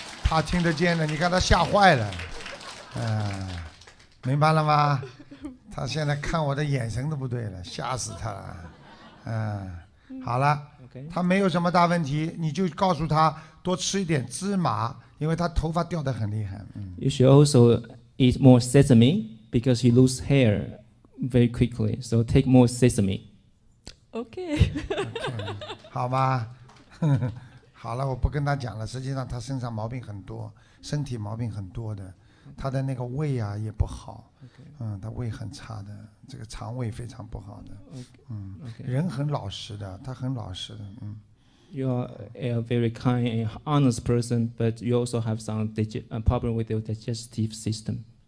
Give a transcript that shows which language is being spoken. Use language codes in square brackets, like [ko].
[zh] 他听得见的，你看他吓坏了。明白了吗？他现在看我的眼神都不对了，吓死他了。好了。 [en] Okay. [zh] 他没有什么大问题，你就告诉他多吃一点芝麻，因为他头发掉得很厉害。 [en] You should also eat more sesame because he lose hair very quickly. So take more sesame. Okay. okay. [zh] 好吧，好了，我不跟他讲了。实际上他身上毛病很多，身体毛病很多的，他的那个胃啊也不好。他胃很差的，这个肠胃非常不好的。人很老实的，他很老实的。 [en] You are a very kind and honest person, but you also have some problem with your digestive system.